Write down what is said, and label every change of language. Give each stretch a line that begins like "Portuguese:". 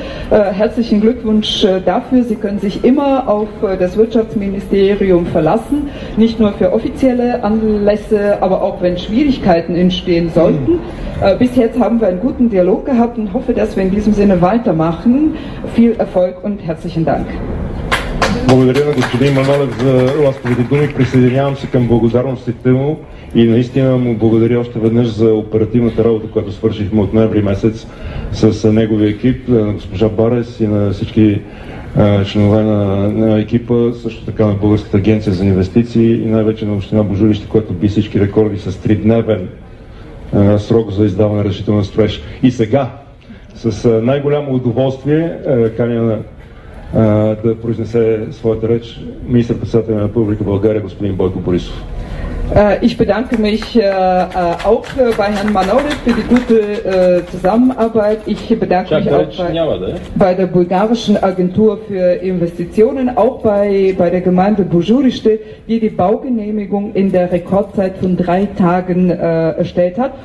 German: Herzlichen Glückwunsch dafür. Sie können sich immer auf das Wirtschaftsministerium verlassen, nicht nur für offizielle Anlässe, aber auch wenn Schwierigkeiten entstehen sollten. Bis jetzt haben wir einen guten Dialog gehabt und hoffe, dass wir in diesem Sinne weitermachen. Viel Erfolg und herzlichen Dank.
Bulgarian: Благодаря на господин Манолев за ласковите думи. Присъединявам се към благодарностите му и наистина му благодаря още веднъж за оперативната работа, която свършихме от ноември месец с неговия екип, на госпожа Барес и на всички членове на екипа, също така на Българската агенция за инвестиции и най-вече на община Бужурище, което би всички рекорди с 3-дневен срок за издаване разрешително на строеж. И сега, с най-голямо удоволствие, каня на да произнесе своята реч министър-председател на Република България господин Бойко Борисов.
German: Ich bedanke mich auch bei Herrn Manolev für die gute Zusammenarbeit. Ich bedanke mich auch bei der bulgarischen Agentur für Investitionen, auch bei der Gemeinde Bujurishte, die die Baugenehmigung in der Rekordzeit von 3 Tagen erstellt hat.